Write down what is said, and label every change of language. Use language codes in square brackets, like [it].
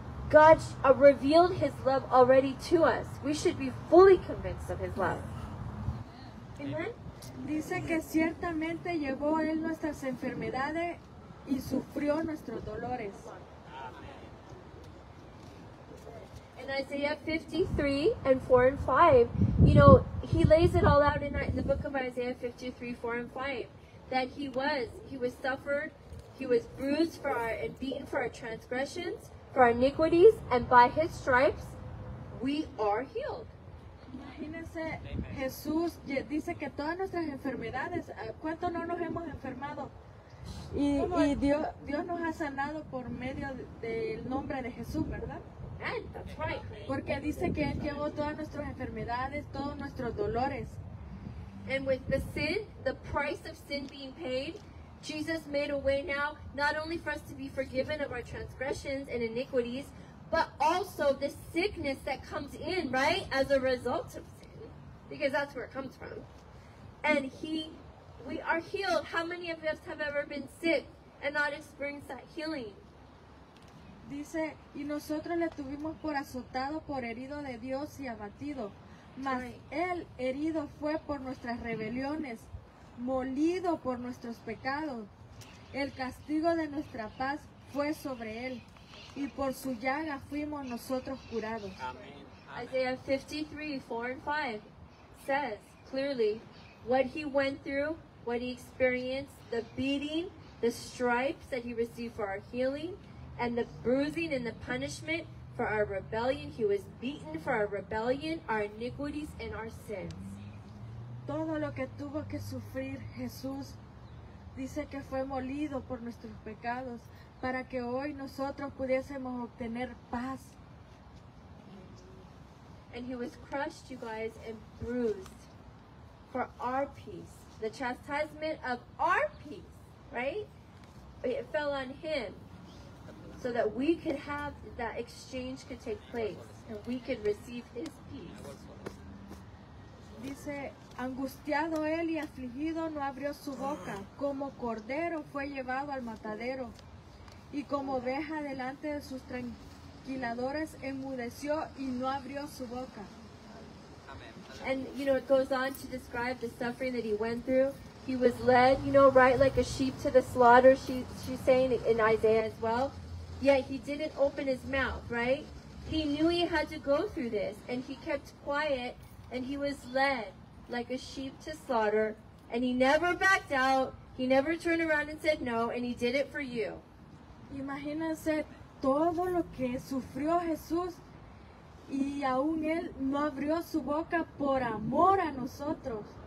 [en] God revealed his love already to us. We should be fully convinced of his love. Amen. [es] Dice que ciertamente llevó a él nuestras enfermedades y sufrió nuestros dolores. [en] In Isaiah 53:4-5, you know, he lays it all out in the book of Isaiah 53:4-5, that he was suffered, he was bruised for our and beaten for our transgressions, for our iniquities, and by his stripes we are healed. [es] Imagínense, Jesús dice que todas nuestras enfermedades, ¿cuánto no nos hemos enfermado? Y Dios nos ha sanado por medio del nombre de Jesús, ¿verdad? Porque dice que Él llevó todas nuestras enfermedades, todos nuestros dolores. [en] And with the sin, the price of sin being paid, Jesus made a way now, not only for us to be forgiven of our transgressions and iniquities, but also the sickness that comes in, right, as a result of sin, because that's where it comes from. And we are healed. How many of us have ever been sick and not experienced that healing? [es] Dice, y nosotros le tuvimos por azotado, por herido de Dios y abatido. Mas él herido fue por nuestras rebeliones, molido por nuestros pecados. El castigo de nuestra paz fue sobre él. Y por su llaga fuimos nosotros curados. Amen. [en] Isaiah 53:4-5 says clearly what he went through, what he experienced, the beating, the stripes that he received for our healing, and the bruising and the punishment for our rebellion. He was beaten for our rebellion, our iniquities, and our sins. [es] Todo lo que tuvo que sufrir Jesús, dice que fue molido por nuestros pecados, para que hoy nosotros pudiésemos obtener paz. [en] And he was crushed, you guys, and bruised for our peace. The chastisement of our peace, right? It fell on him so that we could have that exchange could take place and we could receive his peace. [es] Dice, angustiado él y afligido no abrió su boca, como cordero fue llevado al matadero. Y como oveja delante de sus tranquiladores enmudeció y no abrió su boca. [en] And you know, it goes on to describe the suffering that he went through. He was led, you know, right like a sheep to the slaughter, she's saying in Isaiah as well. Yet he didn't open his mouth, right? He knew he had to go through this, and he kept quiet, and he was led like a sheep to slaughter, and he never backed out, he never turned around and said no, and he did it for you. [es] Imagínense todo lo que sufrió Jesús y aún él no abrió su boca por amor a nosotros.